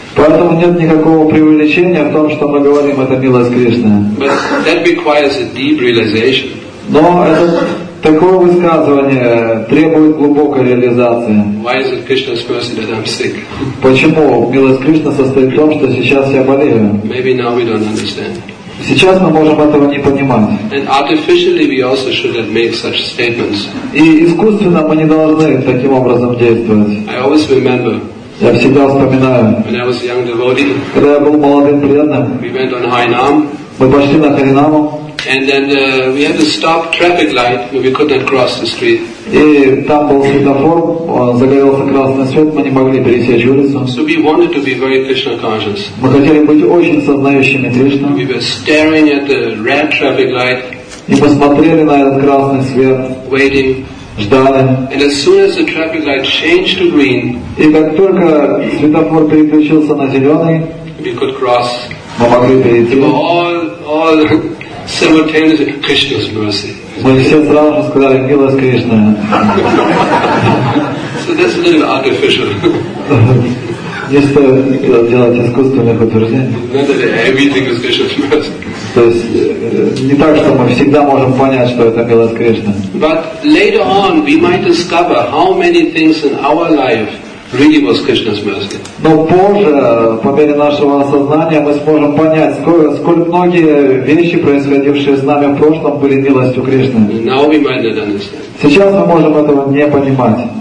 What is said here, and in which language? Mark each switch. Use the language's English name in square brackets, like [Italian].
[Russian] Поэтому нет никакого преувеличения в том, что мы говорим это милость Кришны. [English] But that requires a deep realization. [Russian] Но это такое высказывание требует глубокой реализации. [English] Why is it Krishna's presence that I'm sick? [Russian] Почему милость Кришны состоит в том, что сейчас я болею? [English] Maybe now we don't understand. [Russian] Сейчас мы можем этого не понимать. [English] And artificially we also shouldn't make such statements. [Russian] И искусственно мы не должны таким образом действовать. [English] I always remember, [Russian] я всегда вспоминаю, [English] when I was a young devotee, [Russian] когда я был молодым преданным, [English] we went on Hainam, [Russian] мы пошли на Харинаму, [English] we had to stop traffic light, but we couldn't cross the street. [Russian] И там был светофор, загорелся красный свет, мы не могли пересечь улицу. [English] So we wanted to be very Krishna conscious. [Russian] Мы хотели быть очень сознающими Кришну. [English] We were staring at the red traffic light. [Russian] И посмотрели на этот красный свет. [English] Waiting. [Russian] Ждали. [English] And as soon as the traffic light changed to green, [Russian] и как только светофор переключился на зеленый, [English] we could cross. [Russian] Мы могли перейти. [English] All simultaneously, Krishna's mercy. [Russian] Мы все сразу же сказали, милость Кришны. [English] So that's a little artificial. [Russian] Не стоит делать искусственных утверждений. [English] Not that everything is Krishna's mercy. [Russian] То есть не так, что мы всегда можем понять, что это милость Кришны. [English] But later on we might discover how many things in our life really was Krishna's mercy. [Russian] Но позже, по мере нашего осознания, мы сможем понять, сколько многие вещи, происходившие с нами в прошлом, были милостью Кришны. [English] Now we might not understand. [Russian] Сейчас мы можем этого не понимать.